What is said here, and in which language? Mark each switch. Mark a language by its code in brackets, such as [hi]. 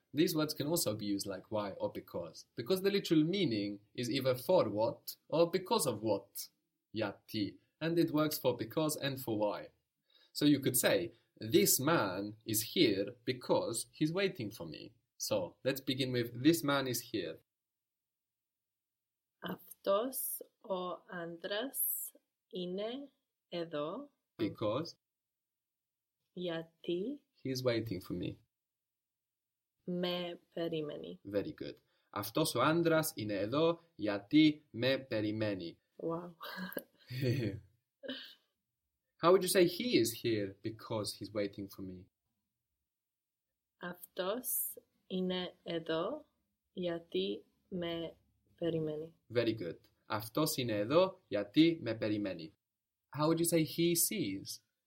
[en] These words can also be used like why or because the literal meaning is either for what or because of what, γιατί, and it works for because and for why. So you could say, this man is here because he's waiting for me. So let's begin with, this man is here. [el] Αυτός ο άντρας είναι εδώ. [en] Because. [el] Γιατί. [en] He's waiting for me. [el] Με περιμένει. [en] Very good. [el] Αυτός ο άντρας είναι εδώ γιατί με περιμένει. [en] Wow. How would you say he is here because he's waiting for me? [el] Αυτός είναι εδώ γιατί με περιμένει. [en] Very good. [el] Αυτός είναι εδώ γιατί με περιμένει. [en] How would you say he sees?